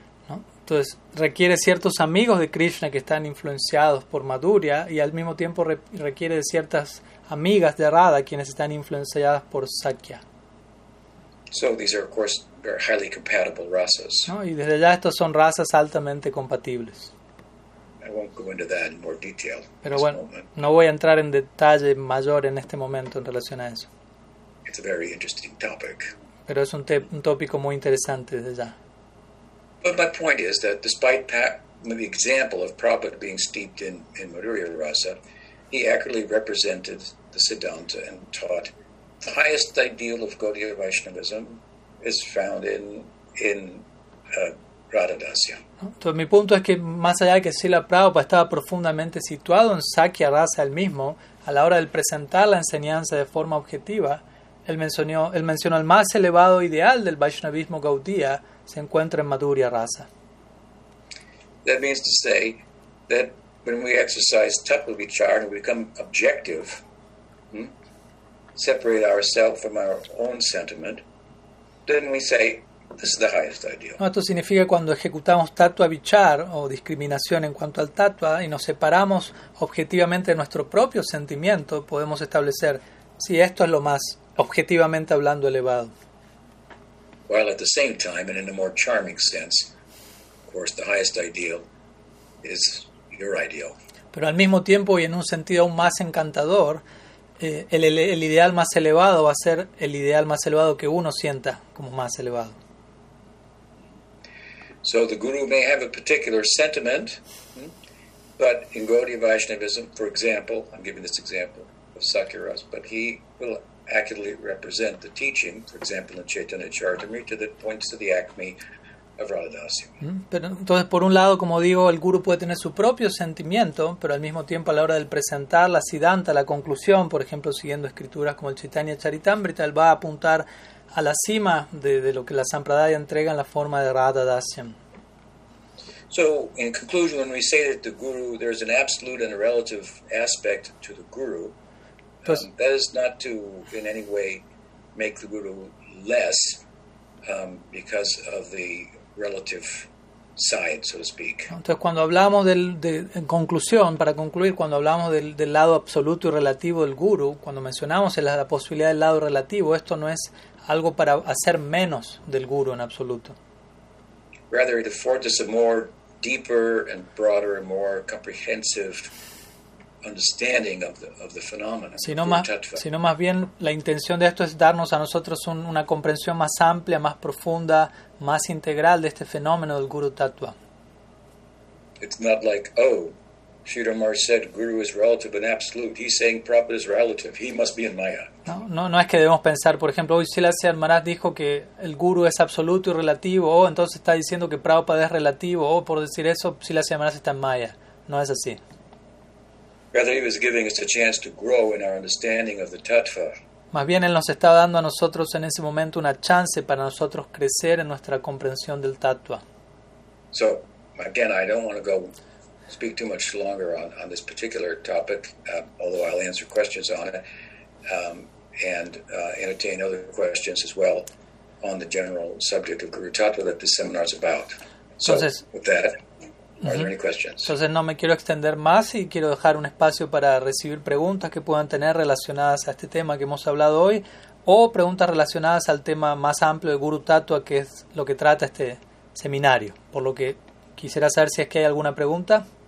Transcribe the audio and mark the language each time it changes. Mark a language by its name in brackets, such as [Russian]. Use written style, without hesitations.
[Spanish] ¿No? Entonces, requiere ciertos amigos de Krishna que están influenciados por Madhurya, y al mismo tiempo requiere de ciertas amigas de Radha quienes están influenciadas por Sakya. [English] So these are, of course, very highly compatible rasas. [Spanish] ¿No? Y desde ya estos son razas altamente compatibles. [English] I won't go into that in more detail. [Spanish] Pero bueno, no voy a entrar en detalle mayor en este momento en relación a eso. [English] It's a very interesting topic. [Spanish] Pero es un tópico muy interesante desde ya. [English] But my point is that despite the example of Prabhupada being steeped in Madhurya Rasa, he accurately represented the Siddhanta and taught the highest ideal of Gaudiya Vaishnavism is found in Radha Dasya. [Spanish] Entonces mi punto es que más allá de que Srila Prabhupada estaba profundamente situado en Sakya Rasa él mismo, a la hora de presentar la enseñanza de forma objetiva, Él mencionó el más elevado ideal del Vaishnavismo Gaudiya se encuentra en Madhurya Rasa. [English] That means to say that when we exercise tattva vichara and become objective, separate ourselves from our own sentiment, then we say this is the highest ideal. [Spanish] No, esto significa cuando ejecutamos tattva vichara o discriminación en cuanto al tattva y nos separamos objetivamente de nuestro propio sentimiento, podemos establecer si esto es lo más objetivamente hablando elevado. [English] While at the same time and in a more charming sense, of course, the highest ideal is your ideal. [Spanish] Pero al mismo tiempo y en un sentido aún más encantador, el ideal más elevado va a ser el ideal más elevado que uno sienta como más elevado. [English] So the guru may have a particular sentiment, but in Gaudiya Vaishnavism, for example, I'm giving this example of Sakyaras, but he will accurately represent the teaching, for example, in Chaitanya Charitamrita, that points to the acme of Radha Dasya. [Spanish] Pero entonces, por un lado, como digo, el guru puede tener su propio sentimiento, pero al mismo tiempo, a la hora de presentar la Siddhanta, la conclusión, por ejemplo, siguiendo escrituras como el Chaitanya Charitamrita, él va a apuntar a la cima de lo que la Sampradaya entrega en la forma de Radha Dasya. [English] So, in conclusion, when we say that the guru, there is an absolute and a relative aspect to the guru. That is not to in any way make the guru less because of the relative side, so to speak. [Spanish] Entonces, cuando hablamos del lado absoluto y relativo del guru, cuando mencionamos la posibilidad del lado relativo, esto no es algo para hacer menos del guru en absoluto. [English] Rather, it affords us a more deeper and broader and more comprehensive understanding of the phenomenon. [Spanish] Sino más bien la intención de esto es darnos a nosotros una comprensión más amplia, más profunda, más integral de este fenómeno del Guru Tattva. [English] It's not like, oh, Shiromar said Guru is relative and absolute. He's saying Prabhupada is relative. He must be in Maya. [Spanish] No es que debemos pensar, por ejemplo, hoy Srila Sri Maharaj dijo que el Guru es absoluto y relativo, o entonces está diciendo que Prabhupada es relativo, o por decir eso, Srila Sri Maharaj está en Maya. No es así. [English] Rather, he was giving us a chance to grow in our understanding of the tattva. [Spanish] Más bien, él nos estaba dando a nosotros en ese momento una chance para nosotros crecer en nuestra comprensión del tattva. [English] So, again, I don't want to go speak too much longer on this particular topic, although I'll answer questions on it and entertain other questions as well on the general subject of Guru Tattva that this seminar is about. So [Spanish] entonces, [English] with that, are there any questions? [Spanish] Entonces no me quiero extender más y quiero dejar un espacio para recibir preguntas que puedan tener relacionadas a este tema que hemos hablado hoy o preguntas relacionadas al tema más amplio de Guru Tattva que es lo que trata este seminario. Por lo que quisiera saber si es que hay alguna pregunta.